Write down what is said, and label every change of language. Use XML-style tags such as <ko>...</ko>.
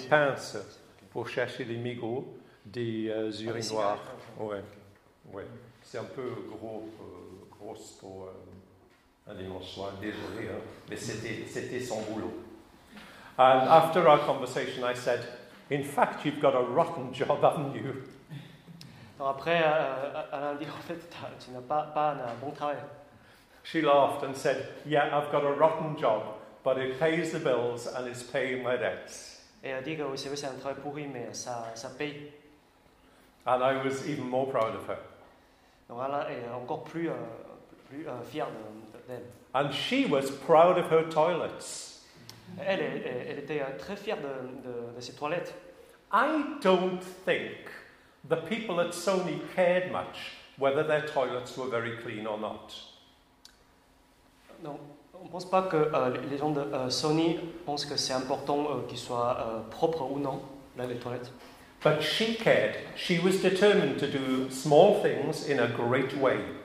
<fr>pinces pour chercher les mégots des urinoirs. Ouais. C'est un peu grosse pour un dimanche soir. Désolé, hein. Mais c'était son boulot.</fr> <en>And after our conversation, I said, "In fact, you've got a rotten job, haven't you?"</en> <fr>Donc après, Alain dit, en fait, tu n'as pas un bon travail.</fr> <en>She laughed and said, "Yeah, I've got a rotten job, but it pays the bills and it's paying my debts."</en> <fr>Et elle dit que oui, c'est vrai, c'est un travail pourri, mais ça paye.</fr> <en>And I was even more proud of her.</en> <fr>Donc Alain est encore plus fier d'elle.</fr> <en>And she was proud of her toilets.</en> <fr>Elle était très fière de ses toilettes.</fr> <en>I don't think the people at Sony cared much whether their toilets were very clean or not.</en> <fr>Non, on ne pense pas que les gens de Sony pensent que c'est important qu'ils soient propres ou non, là, les toilettes.</fr> <en>But she cared. She was determined to do small things in a great way.</en>